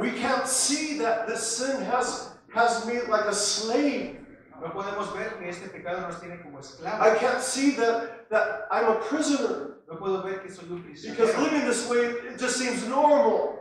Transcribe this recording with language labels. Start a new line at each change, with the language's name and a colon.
English: We can't see that this sin has me like a slave.
Spanish: No podemos ver que este pecado nos tiene como esclavos.
English: I can't see that I'm a prisoner.
Spanish: No puedo ver que soy un prisionero.
English: Because living this way, it just seems normal.